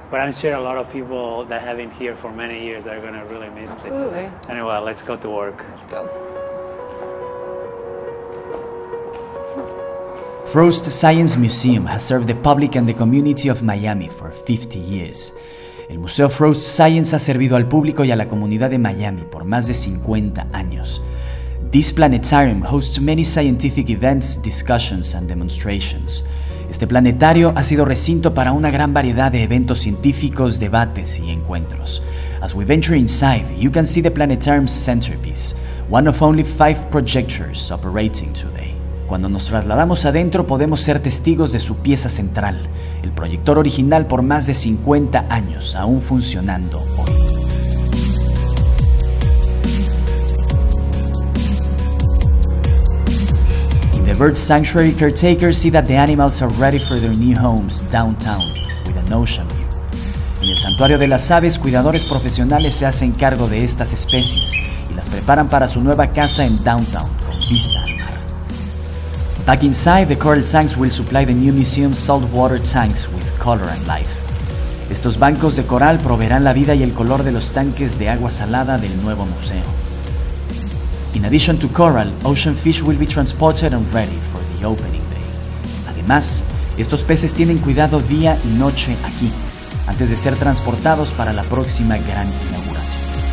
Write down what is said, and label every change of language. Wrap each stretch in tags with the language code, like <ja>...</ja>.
<en>But I'm sure a lot of people that have been here for many years are going to really miss this. Absolutely. Anyway, let's go to work. Let's go. Frost Science Museum has served the public and the community of Miami for 50 years.</en> <es>El Museo Frost Science ha servido al público y a la comunidad de Miami por más de 50 años.</es> <en>This planetarium hosts many scientific events, discussions, and demonstrations.</en> <es>Este planetario ha sido recinto para una gran variedad de eventos científicos, debates y encuentros.</es> <en>As we venture inside, you can see the planetarium's centerpiece, one of only 5 projectors operating today.</en> <es>Cuando nos trasladamos adentro, podemos ser testigos de su pieza central, el proyector original por más de 50 años, aún funcionando hoy.</es> <en>In the bird sanctuary, caretakers see that the animals are ready for their new homes downtown, with an ocean view.</en> <es>En el santuario de las aves, cuidadores profesionales se hacen cargo de estas especies y las preparan para su nueva casa en downtown, con vista.</es> <en>Back inside, the coral tanks will supply the new museum's saltwater tanks with color and life.</en> <es>Estos bancos de coral proveerán la vida y el color de los tanques de agua salada del nuevo museo.</es> <en>In addition to coral, ocean fish will be transported and ready for the opening day.</en> <es>Además, estos peces tienen cuidado día y noche aquí, antes de ser transportados para la próxima gran inauguración.</es>